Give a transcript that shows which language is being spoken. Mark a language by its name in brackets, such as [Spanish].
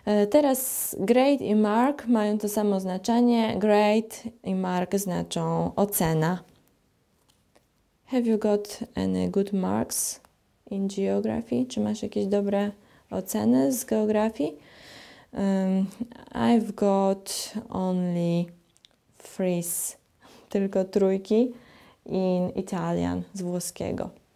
[Polish] Teraz grade i mark mają to samo znaczenie. Grade i mark znaczą ocena. [English] Have you got any good marks in geography? [Polish] Czy masz jakieś dobre oceny z geografii? [English] I've got only threes, [Polish] tylko trójki [English] in Italian, [Polish] z włoskiego.